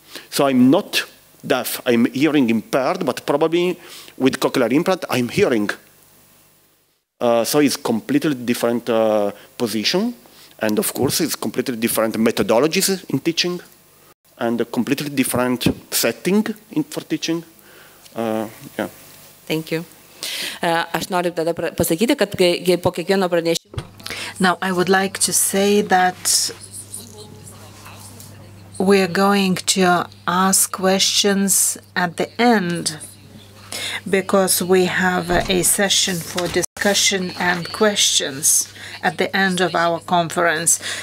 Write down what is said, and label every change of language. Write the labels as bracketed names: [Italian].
[English] So I'm not deaf, I'm hearing impaired, but probably with cochlear implant, I'm hearing. So it's completely different position, and of course it's completely different methodologies in teaching, and a completely different setting in, for teaching. Yeah. Thank you. [Lithuanian] Aš noriu tada pasakyti, kad po kiekvieno pranešimo. [English] Now I would like to say that we are going to ask questions at the end, because we have a session for discussion and questions at the end of our conference.